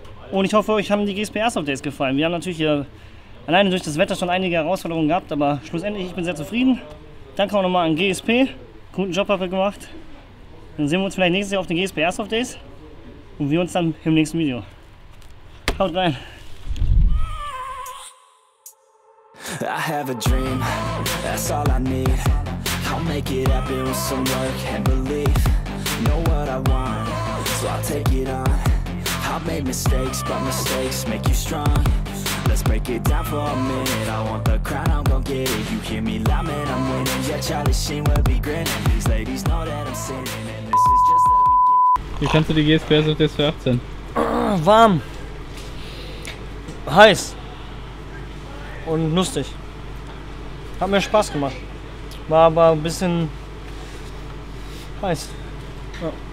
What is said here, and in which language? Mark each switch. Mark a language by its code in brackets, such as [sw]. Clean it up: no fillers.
[de] Und ich hoffe, euch haben die GSPR Soft Days gefallen. Wir haben natürlich hier alleine durch das Wetter schon einige Herausforderungen gehabt, aber schlussendlich, ich bin sehr zufrieden. Danke auch nochmal an GSP. Guten Job habt ihr gemacht. Dann sehen wir uns vielleicht nächstes Jahr auf den GSPR Soft Days und wir uns dann im nächsten Video. Haut rein! [en] I have a dream, that's all I need. I'll make it happen with some work and belief. Know what I want, so I'll take it on. I've made mistakes, but mistakes make you strong. Let's break it down for a minute. I want the crown, I'm gon' get it. You hear me loud, man, I'm winning. Yeah, Charlie Sheen will be grinning. These ladies know that I'm sinning. And this is just the beginning. [de] Wie kannst du die GSPR Soft Days für 18? Warm. Heiß. Und lustig. Hat mir Spaß gemacht. War aber ein bisschen heiß. Ja.